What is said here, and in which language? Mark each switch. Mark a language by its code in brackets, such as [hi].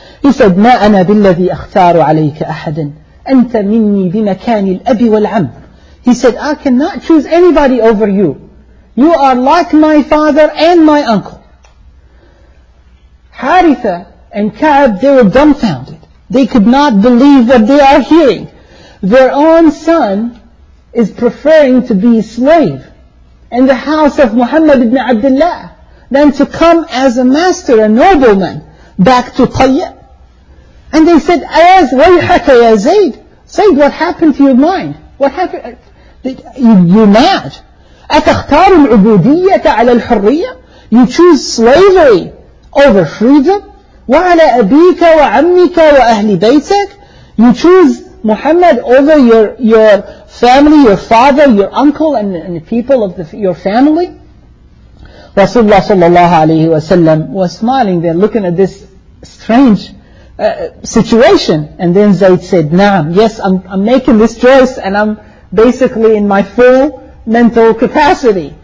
[en] He said, [ar] مَا أَنَا بِالَّذِي أَخْتَارُ عَلَيْكَ أَحَدٍ. أَنْتَ مِنِّي بِمَكَانِ الْأَبِي وَالْعَمْ. [en] He said, I cannot choose anybody over you. You are like my father and my uncle. Haritha and Ka'b, they were dumbfounded. They could not believe what they are hearing. Their own son is preferring to be a slave in the house of Muhammad ibn Abdullah than to come as a master, a nobleman, back to Tayyip. And they said, [ar] "As wayhaka ya Zayd, [en] Zayd, what happened to your mind? What happened? You're mad. [ar] أتختار العبودية على الحرية? [en] You choose slavery over freedom? [ar] وعلى أبيك وعمك وأهل بيتك? [en] You choose Muhammad over your family, your father, your uncle, and the people of your family?" Rasulullah sallallahu alayhi wa sallam was smiling there, looking at this strange situation. And then Zayd said, "Na'am, yes, I'm making this choice, and I'm basically in my full mental capacity.